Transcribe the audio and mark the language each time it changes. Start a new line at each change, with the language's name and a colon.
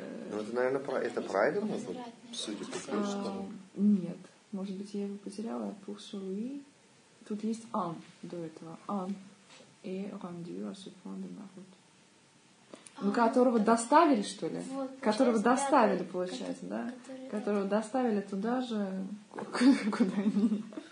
Russian: Ну, это, наверное, это правильно, судя по французскому? Нет. Может быть, я его потеряла.
French: «Pour celui».
Russian: Тут есть «un» до этого.
French: «Un est rendu à ce point de ma route».
Russian: Ну, которого доставили, что ли? Вот, которого доставили, рядом, получается, да? Которого доставили туда же, куда они.